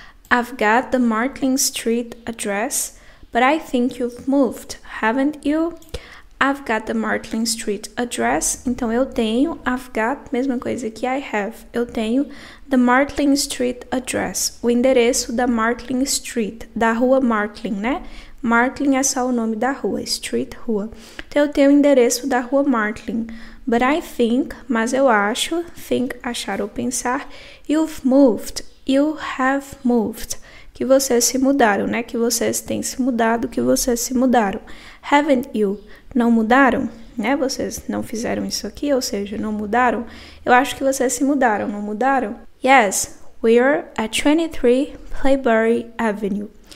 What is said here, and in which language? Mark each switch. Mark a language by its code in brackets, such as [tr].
[en] I've got the Martin Street address, but I think you've moved, haven't you? I've got the Martin Street address. [pt] Então, eu tenho, [en] I've got, [pt] mesma coisa que [en] I have. [pt] Eu tenho [en] the Martin Street address, [pt] o endereço da Martin Street, da rua Martin, né? Martin é só o nome da rua, street, rua. Então, eu tenho o endereço da rua Martin. [en] But I think, [pt] mas eu acho, [en] think, [pt] achar ou pensar, [en] you've moved, you have moved. [pt] Que vocês se mudaram, né? Que vocês têm se mudado, que vocês se mudaram. [en] Haven't you? [pt] Não mudaram, né? Vocês não fizeram isso aqui, ou seja, não mudaram. Eu acho que vocês se mudaram, não mudaram? [en] Yes, we're at 23 Playbury Avenue.